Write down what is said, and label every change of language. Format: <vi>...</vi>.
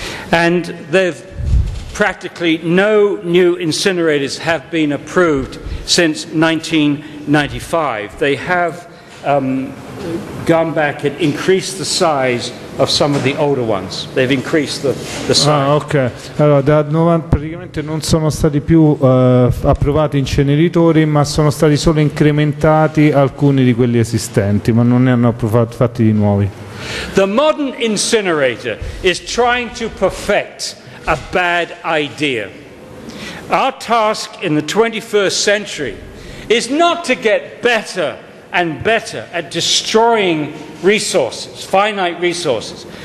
<en>And they've practically no new incinerators have been approved since 1995. They have gone back and increased the size of some of the older ones. They've increased the size. Ah, ok.</en> <it>Allora, praticamente non sono stati più approvati inceneritori, ma sono stati solo incrementati alcuni di quelli esistenti, ma non ne hanno fatti di nuovi.</it> <en>The modern incinerator is trying to perfect a bad idea. Our task in the 21st century is not to get better and better at destroying resources, finite resources.</en>